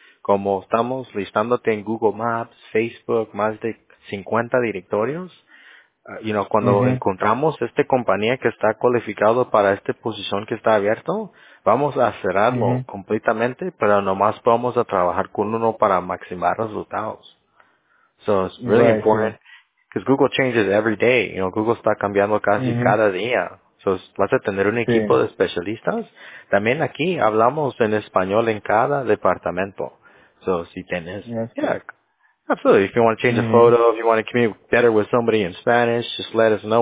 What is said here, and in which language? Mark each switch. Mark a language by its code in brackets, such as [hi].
[es] Como estamos listándote en Google Maps, Facebook, más de 50 directorios, cuando encontramos esta compañía que está cualificado para esta posición que está abierto, vamos a cerrarlo completamente, pero nomás vamos a trabajar con uno para maximizar resultados. [en] So it's really important because Google changes every day. [es] Google está cambiando casi cada día. So vas a tener un equipo de especialistas. También aquí hablamos en español en cada departamento. [en] So [es] si tienes, [en] absolutely. If you want to change a photo, if you want to communicate better with somebody in Spanish, just let us know.